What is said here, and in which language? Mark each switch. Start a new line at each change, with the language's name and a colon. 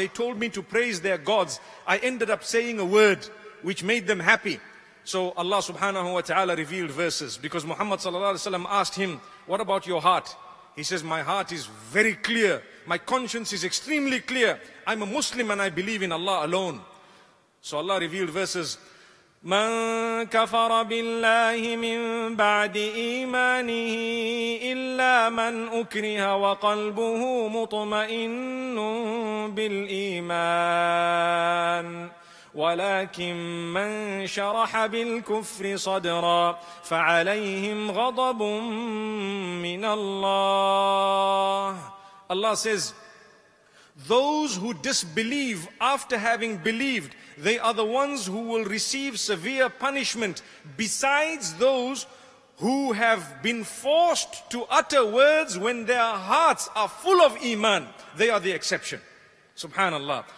English: They told me to praise their gods. I ended up saying a word which made them happy. So Allah subhanahu wa ta'ala revealed verses, because Muhammad sallallahu alaihi wasallam asked him, what about your heart? He says, my heart is very clear. My conscience is extremely clear. I'm a Muslim and I believe in Allah alone. So Allah revealed verses.
Arabic: من كفر بالله من بعد إيمانه إلا من أكره وقلبه مطمئن بالإيمان ولكن من شرح بالكفر صدرا فعليهم غضب من الله.
English: Allah says, those who disbelieve after having believed, they are the ones who will receive severe punishment, besides those who have been forced to utter words when their hearts are full of iman. They are the exception. Subhanallah.